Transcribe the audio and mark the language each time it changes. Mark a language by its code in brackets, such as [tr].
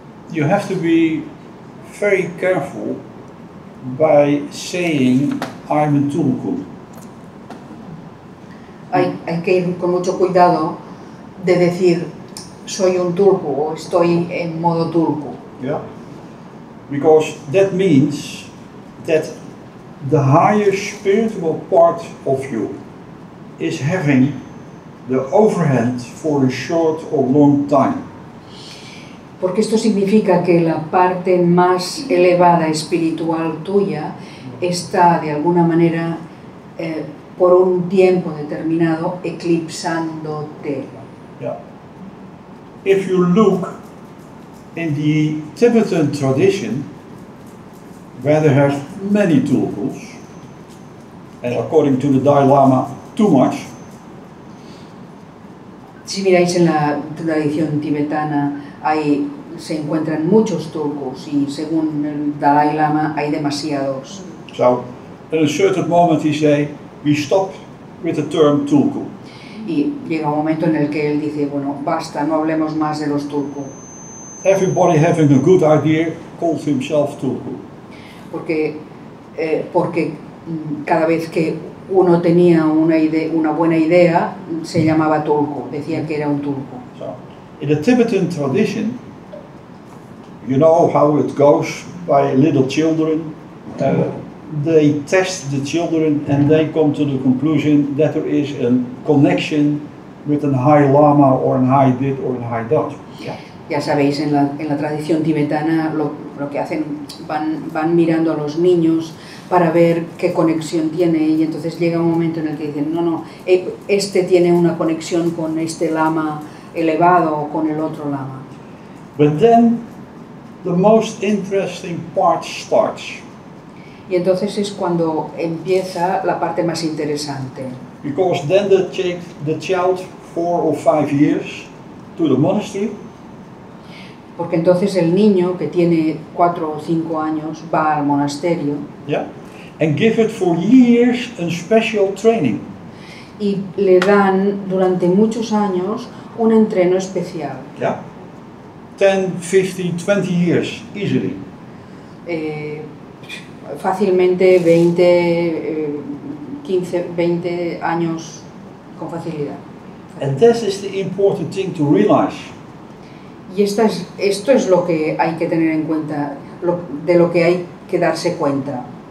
[en] you have to be very careful by saying I'm a Tulku. [es] Hay que ir con mucho cuidado de decir soy un turco o estoy en modo turco. [en] Yeah. Because that means that the higher spiritual part of you is having the overhand for a short or long time. [es] Porque esto significa que la parte más elevada espiritual tuya está de alguna manera por un tiempo determinado eclipsándote. [en] Yeah. If you look in the Tibetan tradition, where there are many tulkus, and according to the Dalai Lama, too much. [es] Si miráis en la tradición tibetana, hay se encuentran muchos tulkus, y según el Dalai Lama, hay demasiados. [en] So, at a certain moment, he say, we stop with the term tulku. [es] Y llega un momento en el que él dice, bueno, basta, no hablemos más de los turcos. [en] Everybody having a good idea calls himself turco. [es] Porque porque cada vez que uno tenía una buena idea, se llamaba turco, decía que era un turco. [en] So, in the Tibetan tradition, you know how it goes by little children. They test the children and they come to the conclusion that there is a connection with a high lama or a high did or a high dot. [es] Ya sabéis, en la tradición tibetana lo que hacen, van mirando a los niños para ver qué conexión tiene, y entonces llega un momento en el que dicen, no, este tiene una conexión con este lama elevado o con el otro lama. [en] But then the most interesting part starts. [es] Y entonces es cuando empieza la parte más interesante. [en] Because then they take the child 4 or 5 years to the monastery. [es] Porque entonces el niño que tiene 4 o 5 años va al monasterio. [en] Yeah. And give it for years a special training. [es] Y le dan durante muchos años un entreno especial. [en] Yeah. 10, 15, 20 years easily. [es] Fácilmente 20, 15, 20 años con facilidad. [en] And this is the important thing to realize. [es] Y esto es lo que hay que tener en cuenta, de lo que hay que darse cuenta.